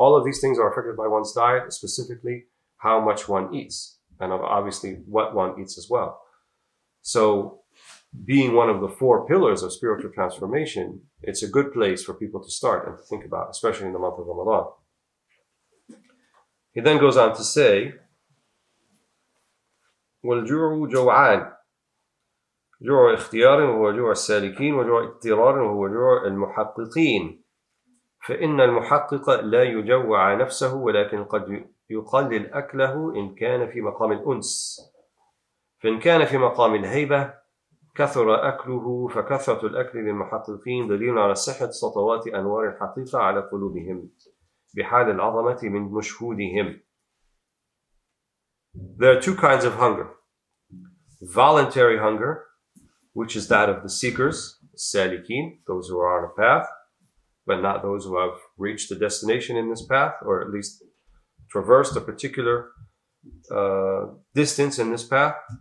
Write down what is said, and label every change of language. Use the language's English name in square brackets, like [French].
[English] All of these things are affected by one's diet, specifically how much one eats. And obviously what one eats as well. So being one of the four pillars of spiritual transformation, it's a good place for people to start and to think about, especially in the month of Ramadan. He then goes on to say, [Arabic] وَالْجُوعُ جَوْعَانِ جُوعُ اِخْتِيَارٍ وَجُوعُ السَّالِكِينَ وَجُوعُ اِتِّرَارٍ وَجُوعُ الْمُحَقِّقِينَ فَإِنَّ الْمُحَقِّقَ لَا يُجَوَّعَ نَفْسَهُ وَلَكِنْ قَدْ يقلل أكله إن كان في مقام الأنس فإن كان في مقام الهيبة كثر أكله فكثرة الأكل للمحققين دليل على صحة سطوات أنوار الحقيقة على قلوبهم بحال العظمة من مشهودهم. [English] There are two kinds of hunger. Voluntary hunger, which is that of the seekers, السالكين, those who are on a path, but not those who have reached the destination in this path, or at least traversed a particular distance in this path.